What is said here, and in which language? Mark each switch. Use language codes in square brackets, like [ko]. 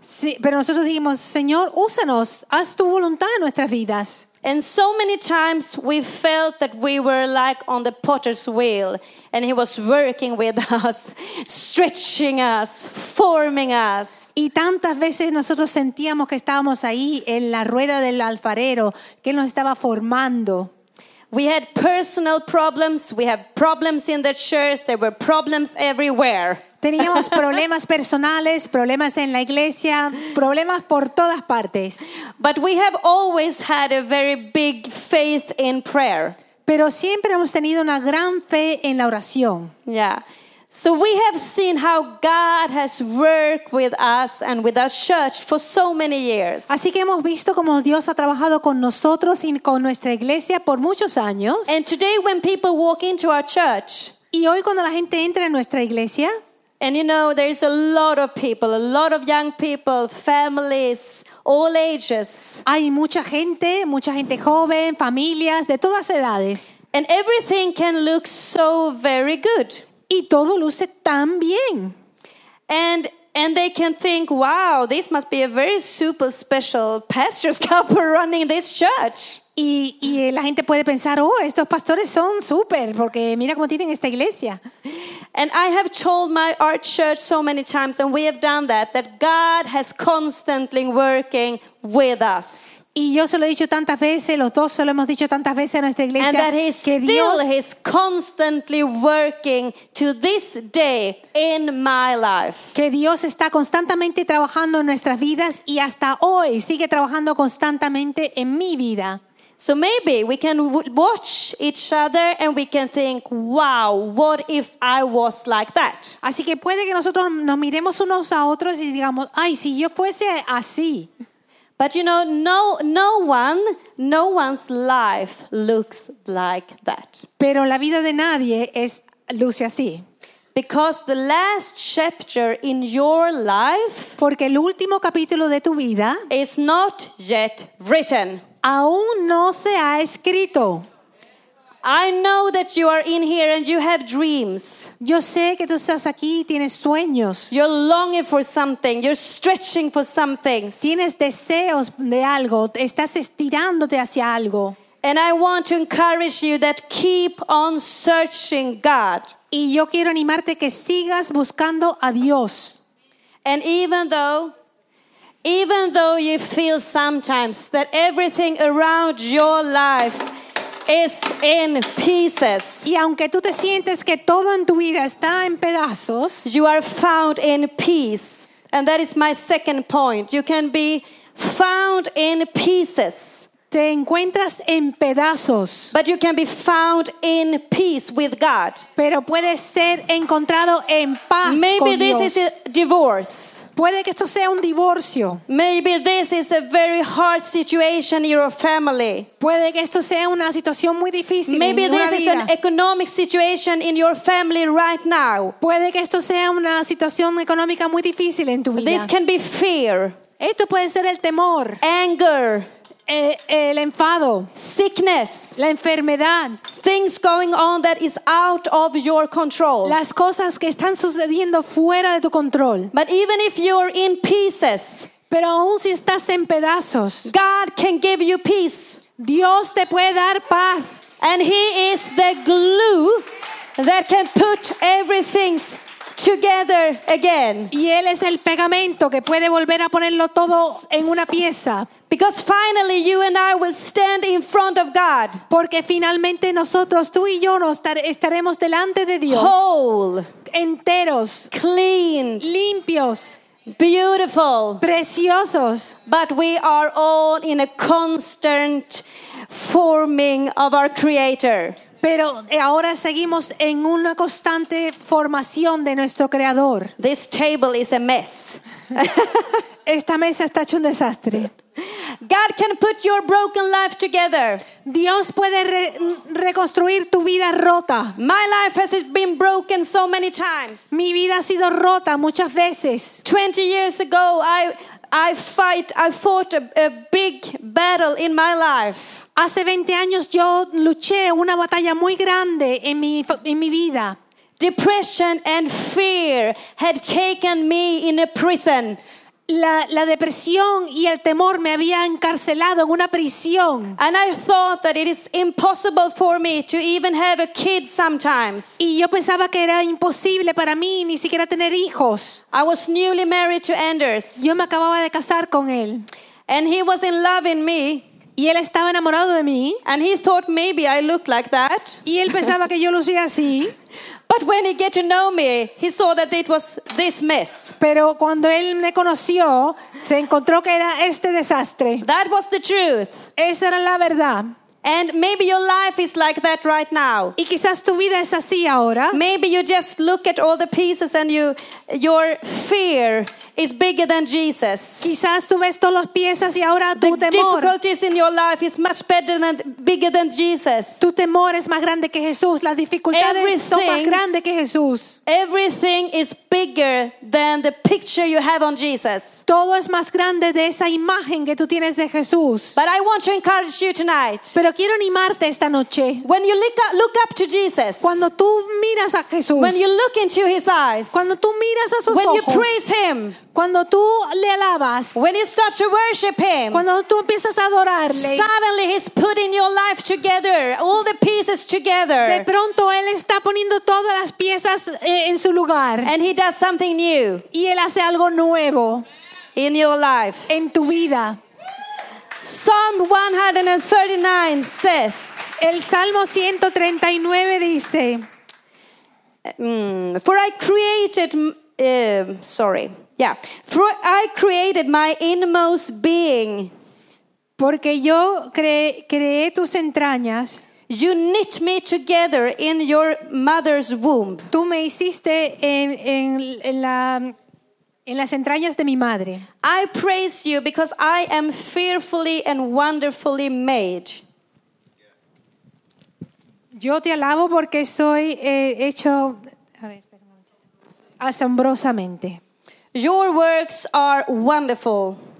[es] Sí, pero nosotros dijimos, Señor, úsanos, haz tu voluntad en nuestras vidas. [en] And so many times we felt that we were like on the potter's wheel and he was working with us, stretching us, forming us. [es] Y tantas veces nosotros sentíamos que estábamos ahí en la rueda del alfarero, que él nos estaba formando. [en] We had personal problems, we had problems in the church, there were problems everywhere. [es] Teníamos problemas personales, problemas en la iglesia, problemas por todas partes. [en] But we have always had a very big faith in prayer. [es] Pero siempre hemos tenido una gran fe en la oración. [en] Yeah. So we have seen how God has worked with us and with our church for so many years. [es] Así que hemos visto cómo Dios ha trabajado con nosotros y con nuestra iglesia por muchos años. [en] And today when people walk into our church, [es] y hoy cuando la gente entra en nuestra iglesia, [en] and you know there's a lot of people, a lot of young people, families, all ages. [es] Hay mucha gente joven, familias de todas edades. [en] And everything can look so very good. [es] Y todo luce tan bien. [en] And they can think, wow, this must be a very super special pastor's couple running this church. [es] Y la gente puede pensar, oh, estos pastores son súper, porque mira cómo tienen esta iglesia. [en] And I have told my art church so many times, and we have done that, that God has constantly working with us. [es] Y yo se lo he dicho tantas veces, los dos se lo hemos dicho tantas veces a nuestra iglesia, [en] and that he's [es] que [en] still [es] Dios [en] is constantly working to this day in my life. [es] Que Dios está constantemente trabajando en nuestras vidas y hasta hoy sigue trabajando constantemente en mi vida. [en] So maybe we can watch each other and we can think, wow, what if I was like that? [es] Así que puede que nosotros nos miremos unos a otros y digamos, ay, si yo fuese así. [en] But you know, no one's life looks like that. [es] Pero la vida de nadie luce así. [en] Because the last chapter in your life, [es] porque el último capítulo de tu vida, [en] is not yet written. [es] Aún no se ha escrito. [en] I know that you are in here and you have dreams. [es] Yo sé que tú estás aquí y tienes sueños. [en] You're longing for something. You're stretching for something. [es] Tienes deseos de algo. Estás estirándote hacia algo. [en] And I want to encourage you that keep on searching God. [es] Y yo quiero animarte que sigas buscando a Dios. [en] And even though you feel sometimes that everything around your life is in pieces. [es] Y aunque tú te sientes que todo en tu vida está en pedazos, [en] you are found in peace. And that is my second point. You can be found in pieces. [es] Te encuentras en pedazos. [en] But you can be found in peace with God. [es] Pero puedes ser encontrado en paz con Dios. [en] Maybe this is a divorce. [es] Puede que esto sea un divorcio. [en] Maybe this is a very hard situation in your family. [es] Puede que esto sea una situación muy difícil. [en] Maybe this [es] vida [en] is an economic situation in your family right now. [es] Puede que esto sea una situación económica muy difícil en tu vida. [en] This can be fear. [es] Esto puede ser el temor. [en] Anger. [es] El enfado. [en] Sickness. [es] La enfermedad. [en] Things going on that is out of your control. [es] Las cosas que están sucediendo fuera de tu control. [en] But even if you're in pieces, [es] pero aun si estás en pedazos, [en] God can give you peace. [es] Dios te puede dar paz. [en] And he is the glue that can put everything together again. [es] Y él es el pegamento que puede volver a ponerlo todo en una pieza. [en] Because finally you and I will stand in front of God. [es] Porque finalmente nosotros, tú y yo, estaremos delante de Dios. [en] Whole. [es] Enteros. [en] Clean. [es] Limpios. [en] Beautiful. [es] Preciosos. [en] But we are all in a constant forming of our Creator. [es] Pero ahora seguimos en una constante formación de nuestro Creador. [en] This table is a mess. [es] Esta mesa está hecho un desastre. [en] God can put your broken life together. [es] Dios puede reconstruir tu vida rota. [en] My life has been broken so many times. [es] Mi vida ha sido rota muchas veces. [en] 20 years ago I fought a big battle in my life. [es] Hace 20 años yo luché una batalla muy grande en mi vida. [en] Depression and fear had taken me in a prison. [es] La depresión y el temor me habían encarcelado en una prisión. [en] And I thought that it is impossible for me to even have a kid sometimes. [es] Y yo pensaba que era imposible para mí ni siquiera tener hijos. [en] I was newly married to Anders. [es] Yo me acababa de casar con él. [en] And he was in love in me. [es] Y él estaba enamorado de mí. [en] And he thought maybe I looked like that. [es] Y él pensaba que yo lucía así. [en] But when he get to know me, he saw that it was this mess. [es] Pero cuando él me conoció, se encontró que era este desastre. [en] That was the truth. [es] Esa era la verdad. [en] And maybe your life is like that right now. [es] Y quizás tu vida es así ahora. [en] Maybe you just look at all the pieces and your fear is bigger than Jesus. [es] Quizás tú ves todas las piezas y ahora tu [en] the [es] temor. [en] The difficulties in your life is much better than bigger than Jesus. [es] Tu temor es más grande que Jesús. Las dificultades son más grandes que Jesús. [en] Everything is bigger than the picture you have on Jesus. [es] Todo es más grande de esa imagen que tú tienes de Jesús. [en] But I want to encourage you tonight. [es] Pero quiero animarte esta noche. [en] When you look up to Jesus, [es] cuando tú miras a Jesús, [en] when you look into his eyes, [es] cuando tú miras a sus [en] when [es] ojos, [en] you praise him, [es] cuando tú le alabas, [en] when you start to worship him, [es] cuando tú empiezas a adorarle, [en] suddenly he's putting your life together, all the pieces together. [es] De pronto él está poniendo todas las piezas en su lugar. [en] And he does something new. [es] Y él hace algo nuevo [en] in your life. [es] En tu vida. [en] Psalm 139 says. [es] El Salmo 139 dice. [en] For I created my inmost being. [es] Porque yo creé tus entrañas. [en] You knit me together in your mother's womb. [es] Tú me hiciste en las entrañas de mi madre. [en] I praise you because I am fearfully and wonderfully made. [es] Yo te alabo porque soy hecho asombrosamente. [en] Your works are wonderful.